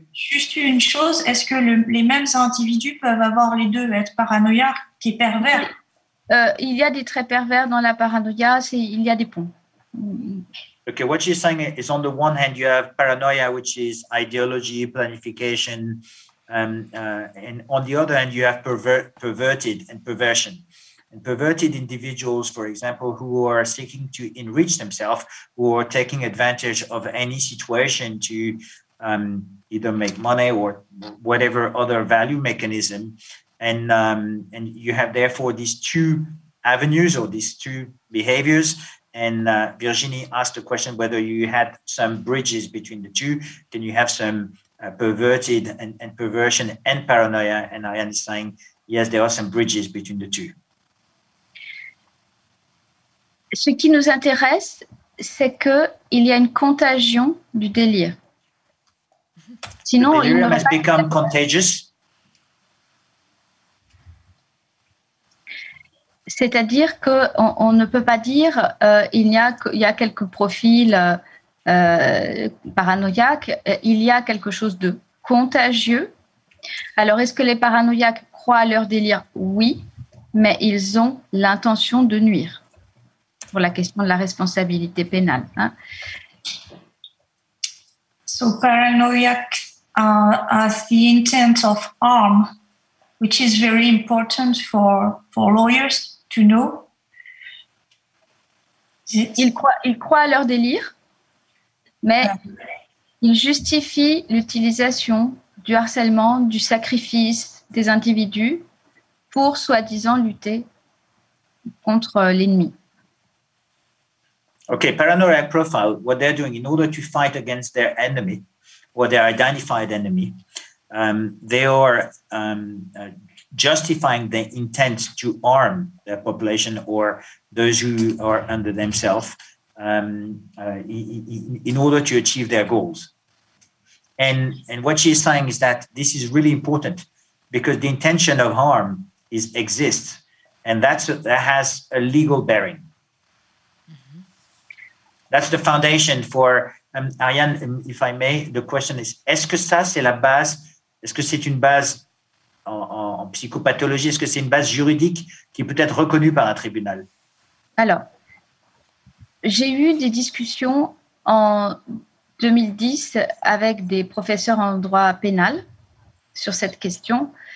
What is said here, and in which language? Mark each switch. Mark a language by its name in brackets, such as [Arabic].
[French] Juste une chose, est-ce que les mêmes individus peuvent avoir les deux, être paranoïaque et pervers? Il y a des traits pervers dans la paranoïa, il y a des ponts. [English] Okay, what you're saying is on the one hand, you have paranoia, which is ideology, planification, and on the other hand, you have perverted and perversion. And perverted individuals, for example, who are seeking to enrich themselves, who are taking advantage of any situation to either make money or whatever other value mechanism. And you have therefore these two avenues or these two behaviors. And Virginie asked the question whether you had some bridges between the two. Then you have some perverted and perversion and paranoia. And Ariane is saying, yes, there are some bridges between the two. [French] Ce qui nous intéresse, c'est qu'il y a une contagion du délire. Sinon, [English] the delirium has become contagious. [French] C'est-à-dire qu'on ne peut pas dire il y a quelques profils paranoïaques, il y a quelque chose de contagieux. Alors, est-ce que les paranoïaques croient à leur délire? Oui, mais ils ont l'intention de nuire pour la question de la responsabilité pénale. Hein. [English] So, paranoïaque has the intent of harm, which is very important for lawyers. To know. [French] Ils croient à leur délire, mais ils justifient l'utilisation du harcèlement, du sacrifice des individus pour soi-disant lutter contre l'ennemi. [English] Okay, paranoid profile, what they're doing in order to fight against their enemy or their identified enemy, they are justifying the intent to harm the population or those who are under themselves in order to achieve their goals. And what she's saying is that this is really important because the intention of harm exists and that has a legal bearing. Mm-hmm. That's the foundation for, Ariane, if I may, the question is, [French] est-ce que ça c'est la base, est-ce que c'est une base en psychopathologie, est-ce que c'est une base juridique qui peut être reconnue par un tribunal? Alors, j'ai eu des discussions en 2010 avec des professeurs en droit pénal sur cette question.